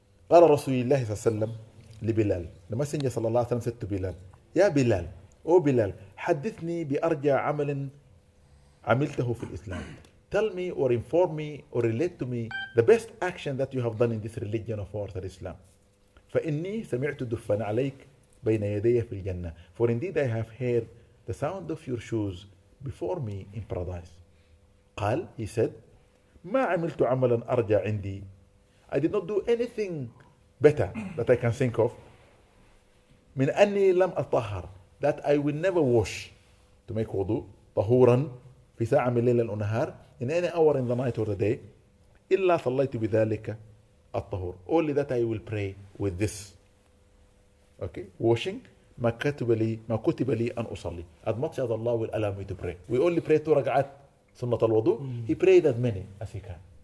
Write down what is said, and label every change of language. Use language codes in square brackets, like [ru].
[ar] قال رسول الله صلى الله عليه وسلم لبلال. [en] The messenger [ar] صلى الله عليه وسلم [en] said to Bilal, [ar] يا بلال, أو بلال, حدثني بأرجى عمل عملته في الإسلام. [en] Tell me or inform me or relate to me the best action that you have done in this religion of ours, Islam. [ar] فإني سمعت دفن عليك بين يدي في الجنة. [en] For indeed I have heard the sound of your shoes before me in paradise. [ar] قال, [en] he said, [ar] ما عملت عملا أرجى عندي. [en] I did not do anything better that I can think of. [ar] من أني لم أطهر. [en] That I will never wash to make wudu. [ar] طهورا في ساعة من الليل والنهار. [en] In any hour in the night or the day. [ar] إلا صليت بذلك الطهور. [en] Only that I will pray with this. Okay. Washing. [ar] ما كتب لي أن أصلي. [en] As much as Allah will allow me to pray. We only pray two rak'at سنة الوضوء. He prayed as many as he can.